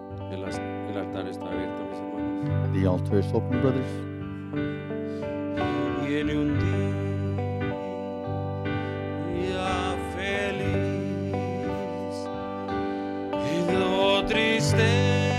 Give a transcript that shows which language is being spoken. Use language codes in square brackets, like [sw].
[es] El altar está abierto, mis hermanos. [en] The altar is open, brothers. [es] Viene un día feliz y lo triste.